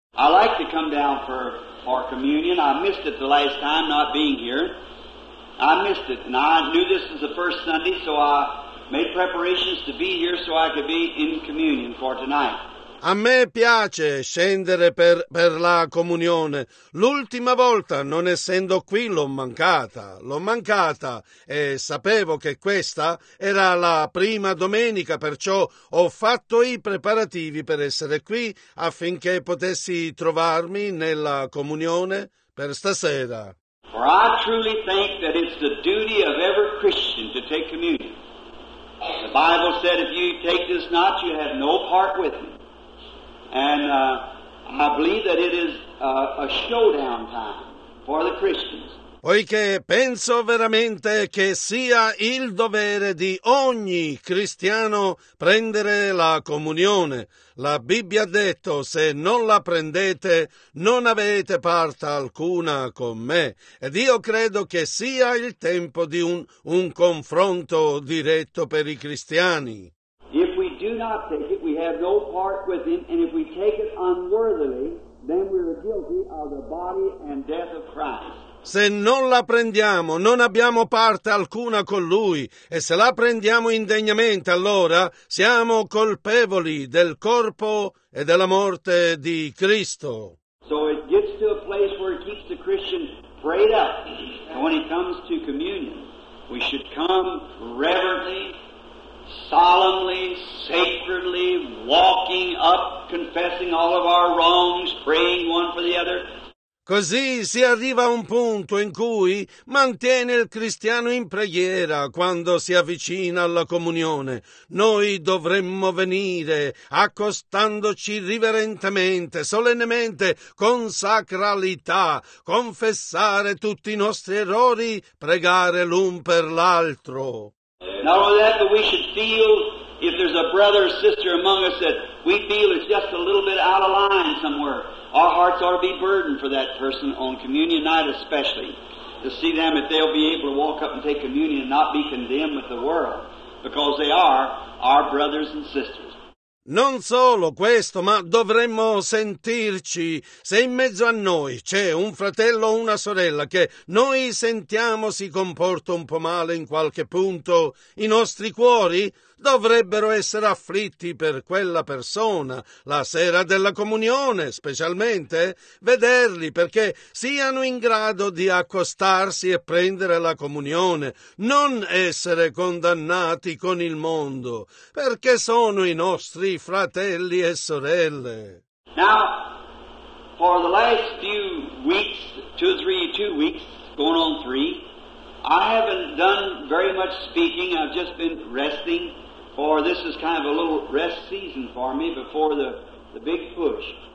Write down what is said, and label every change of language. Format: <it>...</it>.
<en>I like to come down for communion, I missed it the last time not being here. I missed it, and I knew this was the first Sunday, so I made preparations to be here so I could be in communion for tonight.</en> <it>A me piace scendere per la comunione. L'ultima volta, non essendo qui, l'ho mancata, e sapevo che questa era la prima domenica, perciò ho fatto i preparativi per essere qui affinché potessi trovarmi nella comunione per stasera.</it> <en>For I truly think that it's the duty of every Christian to take communion. The Bible said if you take this not, you have no part with me. And I believe that it is a showdown time for the Christians.</en> <it>Poiché penso veramente che sia il dovere di ogni cristiano prendere la comunione. La Bibbia ha detto, se non la prendete, non avete parte alcuna con me. Ed io credo che sia il tempo di un confronto diretto per i cristiani.</it> <en>If we do not take it, we have no part with it, and if we take it unworthily, then we are guilty of the body and death of Christ.</en> <it>Se non la prendiamo, non abbiamo parte alcuna con Lui, e se la prendiamo indegnamente, allora siamo colpevoli del corpo e della morte di Cristo.</it> <en>So it gets to a place where it keeps the Christian prayed up. And when it comes to communion, we should come reverently, solemnly, sacredly, walking up, confessing all of our wrongs, praying one for the other.</en> <it>Così si arriva a un punto in cui mantiene il cristiano in preghiera quando si avvicina alla comunione. Noi dovremmo venire accostandoci riverentemente, solennemente, con sacralità, confessare tutti i nostri errori, pregare l'un per l'altro.</it> <en>Not only that, but we should feel if there's a brother or sister among us that we feel is just a little bit out of line somewhere. Our hearts ought to be burdened for that person on communion night especially, to see them if they'll be able to walk up and take communion and not be condemned with the world, because they are our brothers and sisters.</en> <it>Non solo questo, ma dovremmo sentirci, se in mezzo a noi c'è un fratello o una sorella che noi sentiamo si comporta un po' male in qualche punto, i nostri cuori dovrebbero essere afflitti per quella persona, la sera della comunione specialmente, vederli perché siano in grado di accostarsi e prendere la comunione, non essere condannati con il mondo, perché sono i nostri fratelli e sorelle.</it> <en>Now, for the last few weeks, two weeks, going on three, I haven't done very much speaking, I've just been resting. For this is kind of a little rest season for me before the big push.</en>